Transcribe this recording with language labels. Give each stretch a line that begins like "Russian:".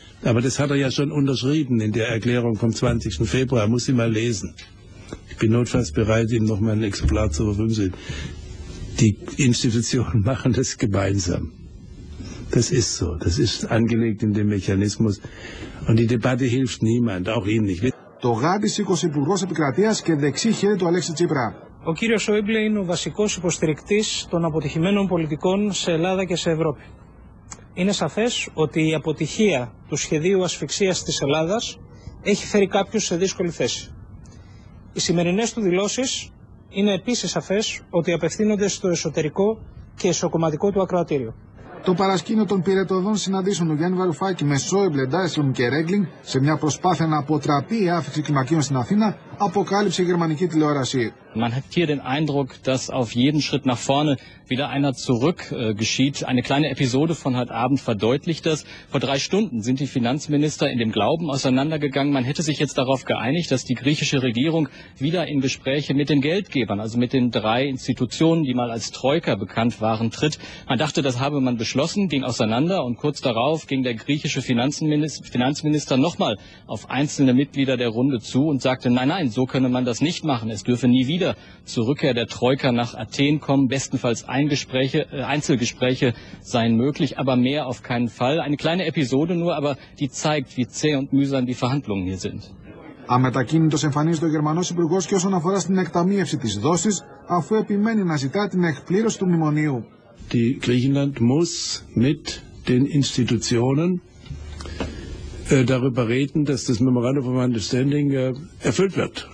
German: Aber das hat er ja schon unterschrieben in der Erklärung vom 20. Februar. Muss sie mal lesen. Ich bin notfalls bereit, ihm noch mal ein Exemplar zur Verfügung zu stellen. Die Institutionen machen das gemeinsam. Das ist so. Das ist angelegt in dem Mechanismus. Und die Debatte hilft niemand, auch Ihnen nicht.
Greek: Το Γάντι σήκωσε υπουργός επικρατείας και δεξί χέρι του Αλέξη Τσίπρα. Ο κύριος Σόιμπλε είναι ο βασικός υποστηρικτής των αποτυχημένων πολιτικών σε Ελλάδα και σε Ευρώπη. Είναι σαφές ότι η αποτυχία του σχεδίου ασφυξίας της Ελλάδας έχει φέρει κάποιους σε δύσκολη θέση. Οι σημερινές του δηλώσεις είναι επίσης σαφές ότι απευθύνονται στο εσωτερικό και εσωκομματικό του ακροατήριο. Το παρασκήνιο των πυρετοδών συναντήσεων του Γιάννη Βαρουφάκη με Σόιμπλε, Ντάισλουμ και Ρέγκλινγκ σε μια προσπάθεια να αποτραπεί η άφιξη κλιμακίων στην Αθήνα αποκάλυψε η γερμανική τηλεόραση.
German: Man hat hier den Eindruck, dass auf jeden Schritt nach vorne wieder einer zurück geschieht. Eine kleine Episode von heute Abend verdeutlicht das. Vor drei Stunden sind die Finanzminister in dem Glauben auseinandergegangen. Man hätte sich jetzt darauf geeinigt, dass die griechische Regierung wieder in Gespräche mit den Geldgebern, also mit den drei Institutionen, die mal als Troika bekannt waren, tritt. Man dachte, das habe man beschlossen, ging auseinander und kurz darauf ging der griechische Finanzminister nochmal auf einzelne Mitglieder der Runde zu und sagte, nein, nein, so könne man das nicht machen. Es dürfe nie wieder zur Rückkehr der Troika nach Athen kommen, bestenfalls Einzelgespräche seien möglich, aber mehr auf keinen Fall. Eine kleine Episode nur, aber die zeigt, wie zäh und mühsam die Verhandlungen hier sind.
Greek: Αμετακίνητος εμφανίζεται ο Γερμανός Υπουργός και όσον αφορά στην εκταμείευση της δόσης, αφού επιμένει να ζητά την εκπλήρωση του μνημονίου.
German: Die Griechenland muss mit den Institutionen darüber reden, dass das Memorandum of Understanding erfüllt wird.